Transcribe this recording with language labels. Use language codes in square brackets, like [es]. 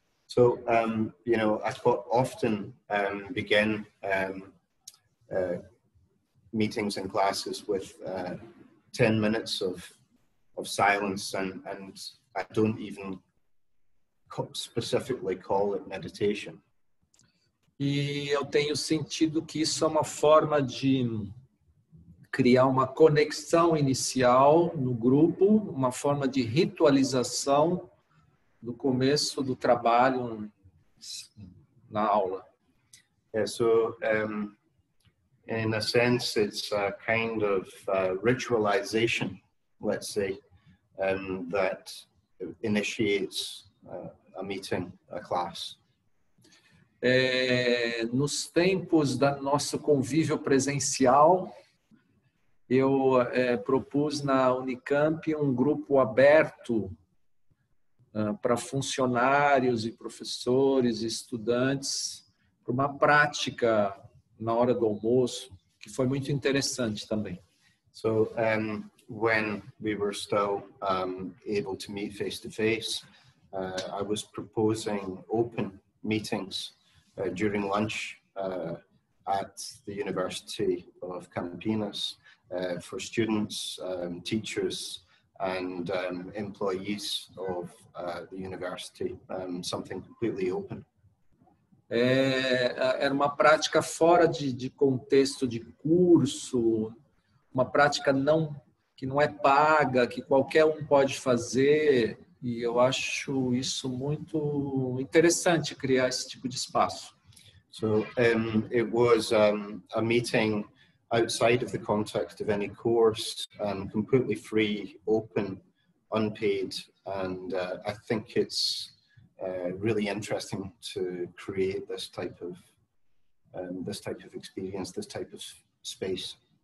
[en] So, you know, I quite often begin meetings and classes with 10 minutes of silence, and I don't even specifically call it meditation. [pt] E eu tenho sentido que isso é uma forma de criar uma conexão inicial no grupo, uma forma de ritualização do começo do trabalho na aula. [en] Yeah, so, in a sense, it's a kind of ritualization, let's say, that initiates a meeting, a class. [pt] É, nos tempos da nosso convívio presencial, eu propus na Unicamp um grupo aberto para funcionários e professores e estudantes para uma prática na hora do almoço, que foi muito interessante também. [en] So, when we were still able to meet face to face, I was proposing open meetings during lunch at the University of Campinas for students, teachers, and employees of the university, something completely open. [pt] Era uma prática fora de contexto de curso, uma prática não, que não é paga, que qualquer um pode fazer. E eu acho isso muito interessante, criar esse tipo de espaço. [en] So, it was a meeting outside of the context of any course, completely free, open, unpaid, and I think it's really interesting to create this type of experience, this type of space.